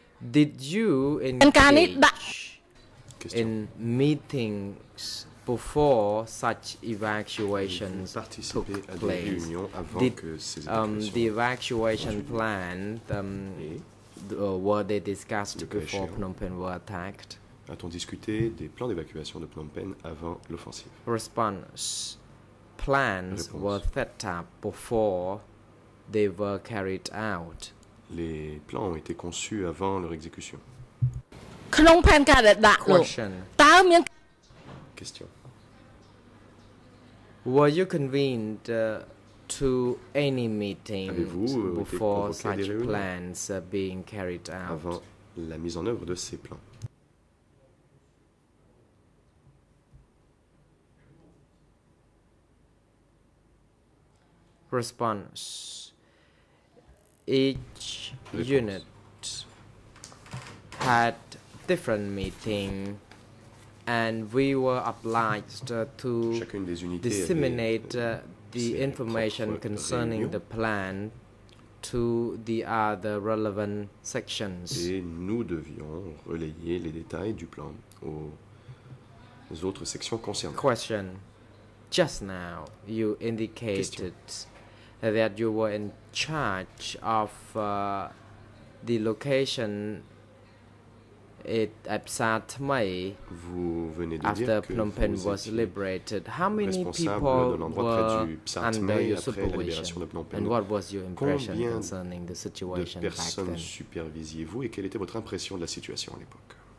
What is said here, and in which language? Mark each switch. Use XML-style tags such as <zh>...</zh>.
<en>Did you engage in meetings before such evacuations took place, the evacuation plan, were they discussed before Phnom Penh were attacked?</en> <fr>A-t-on discuté des plans d'évacuation de Phnom Penh avant l'offensive?</fr> <en>Response. Plans</en> <fr>réponse.</fr> <en>Were set up before they were carried out.</en> <fr>Les plans ont été conçus avant leur exécution.</fr> <en>Phnom Penh got it back. Question.</en> <fr>Question.</fr> <en>Were you convened to any meetings</en> <fr>avez-vous</fr> <en>before such plans being carried out?</en> <fr>Avant la mise en œuvre de ces plans.</fr> <en>Response. Each</en> <fr>réponse.</fr> <en>Unit had different meeting. And we were obliged to disseminate the information concerning the plan to the other relevant sections.</en> <fr>Et nous devions relayer les détails du plan aux autres sections concernées.</fr> <en>Question. Just now, you indicated</en> <fr>question.</fr> <en>That you were in charge of the location et absent mai</en> <fr>vous venez de</fr> <en>after</en> <fr>dire</fr> <en>Phnom Penh was liberated. How many people were under your supervision? And what was your impression concerning the situation back then?</en> <fr>Combien de personnes supervisiez-vous et quelle était votre impression de la situation à l'époque?</fr>